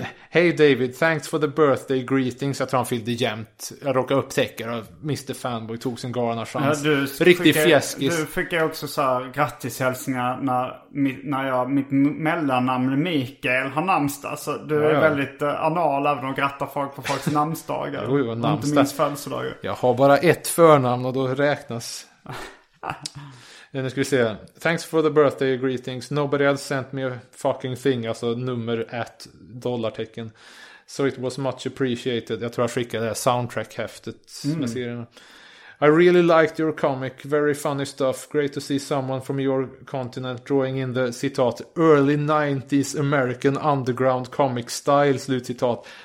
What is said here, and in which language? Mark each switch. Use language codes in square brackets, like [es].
[en] Hey David, thanks for the birthday greetings. [sv] Jag tror han fyllde jämt. Jag råkade upptäcka och Mr. Fanboy tog sin galna chans. Ja, riktig fjäskis. Du fick jag också så här grattishälsningar när jag mitt mellannamn Mikael har namnsdag. Så du är väldigt anal även att gratta folk på folks namnsdagar. Jo, jag har namnsdag. Inte minst födelsedagar. Jag har bara ett förnamn och då räknas... Nu ska vi se. [en] Thanks for the birthday greetings. Nobody else sent me a fucking thing. [sv] Alltså nummer ett dollartecken. [en] So it was much appreciated. [sv] Jag tror jag skickade det här soundtrack-häftet med serien. [en] I really liked your comic. Very funny stuff. Great to see someone from your continent drawing in the, [sv] citat, [en] early 90s American underground comic style, [sv] slut citat.